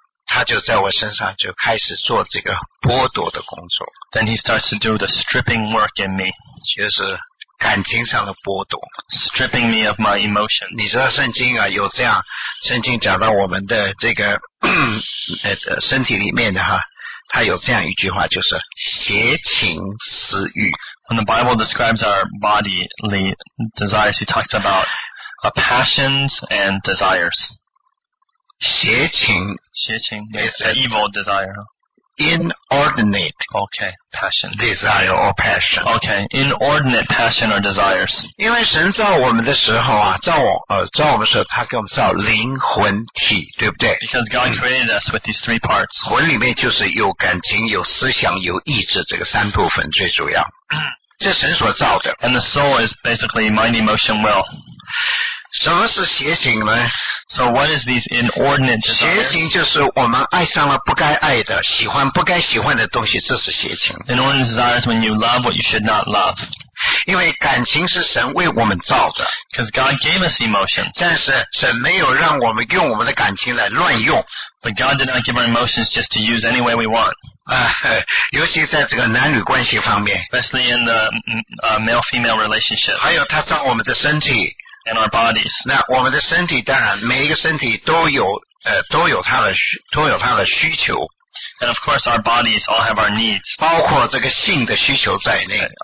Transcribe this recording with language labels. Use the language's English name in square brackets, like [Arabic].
[Chinese] 他就在我身上就开始做这个剥夺的工作。 [English] Then he starts to do the stripping work in me. [Chinese] 就是感情上的剥夺。 [English] Stripping me of my emotions. [Chinese] 你知道圣经啊，有这样，圣经讲到我们的这个身体里面的哈，它有这样一句话，就是邪情私欲。 [English] When the Bible describes our bodily desires, he talks about passions and desires. [Chinese] 邪情， [English] 邪情 ，it's an evil desire. Inordinate, okay, passion, desire or passion. Okay, inordinate passion or desires. [Chinese] 因为神造我们的时候啊，造我们的时候，他给我们造灵魂体，对不对 [English] ？Because God created us with these three parts. [Chinese] 魂里面就是有感情、有思想、有意志这个三部分最主要，这神所造的。 [English] And the soul is basically mind, emotion, will. [Chinese] 什么是邪情呢 [English] ？So what is these inordinate desires? [Chinese] 邪情就是我们爱上了不该爱的，喜欢不该喜欢的东西，这是邪情。 [English] Inordinate desires when you love what you should not love. [Chinese] 因为感情是神为我们造的。 [English] Because God gave us emotions. [Chinese] 但是神没有让我们用我们的感情来乱用。 [English] But God did not give our emotions just to use any way we want. [Chinese] 尤其在这个男女关系方面。 [English] Especially in the male-female relationship. [Chinese] 还有他造我们的身体。 [English] And our bodies. [Chinese] 那我们的身体当然每一个身体都有它的需求。 [English] And of course, our bodies all have our needs. [Chinese] 包括这个性的需求在内。